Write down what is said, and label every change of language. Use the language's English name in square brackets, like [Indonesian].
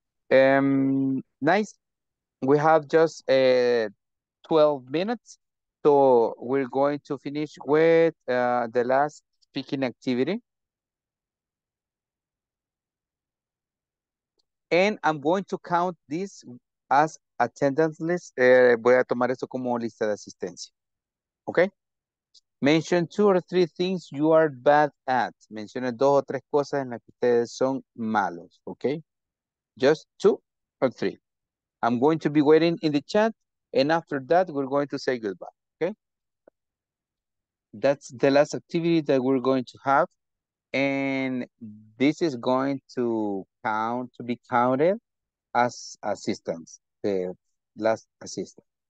[English] Nice. We have just 12 minutes. So we're going to finish with the last speaking activity. And I'm going to count this as attendance list. [Spanish] Voy a tomar esto como lista de asistencia. [English] Okay? Mention two or three things you are bad at. [Spanish] Mencione dos o tres cosas en las que ustedes son malos. [English] Okay? Just two or three. I'm going to be waiting in the chat. And after that, we're going to say goodbye. Okay? That's the last activity that we're going to have. And this is going to count, to be counted as assistance, the last assistant.